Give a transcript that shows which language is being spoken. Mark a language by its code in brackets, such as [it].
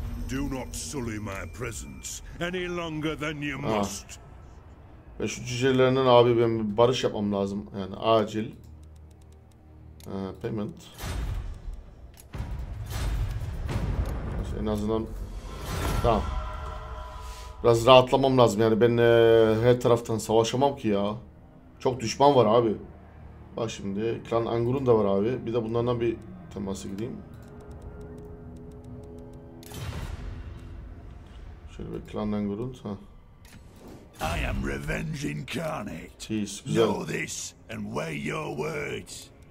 [en] Do not sully my presence any longer than you must. [tr] Ve şu cücelerinden abi ben barış yapmam lazım yani acil. Payment. İşte en azından tamam. Biraz rahatlamam lazım yani ben her taraftan savaşamam ki ya. Çok düşman var abi. Bak şimdi Klan Angur'un da var abi. Bir de bunlardan bir temasa gideyim. Şöyle bir Klan Angur'un ha. [en] I am revenge incarnate. [tr] Jeez, güzel. [en] Know this and weigh your words.